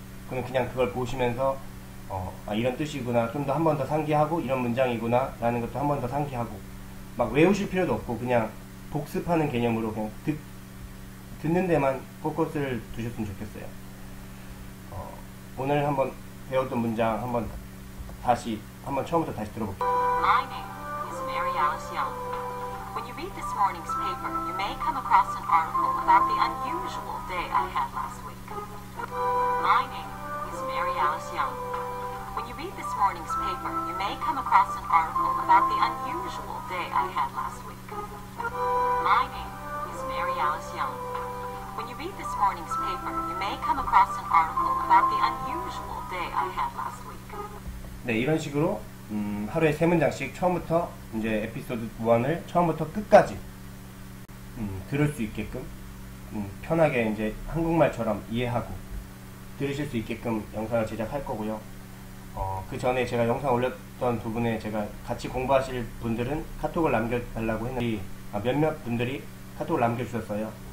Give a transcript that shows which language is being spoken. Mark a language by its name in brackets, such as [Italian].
[Korean] 그럼 그냥 그걸 보시면서 이런 뜻이구나, 좀더한번더 상기하고 이런 문장이구나 라는 것도 한번더 상기하고 막 외우실 필요도 없고 그냥 복습하는 개념으로 그냥 듣는 데만 포커스를 두셨으면 좋겠어요. 오늘 한번 배웠던 문장 한번 다시 한번 처음부터 다시 들어볼게요. [English] My name is Mary Alice Young. When you read this morning's paper, you may come across an article about the unusual day I had last week. My name is Mary Alice Young. When you read this morning's paper, you may come across an article about the unusual day I had last week. My name is Mary Alice Young. When you read this morning's paper, you may come across an article about the unusual day I had last week. [Korean] 네, 이런 식으로 하루에 세 문장씩 처음부터 이제 에피소드 1을 처음부터 끝까지 들을 수 있게끔 편하게 이제 한국말처럼 이해하고 들으실 수 있게끔 영상을 제작할 거고요. 그 전에 제가 영상 올렸던 부분에 제가 같이 공부하실 분들은 카톡을 남겨달라고 했는데 몇몇 분들이 카톡을 남겨주셨어요.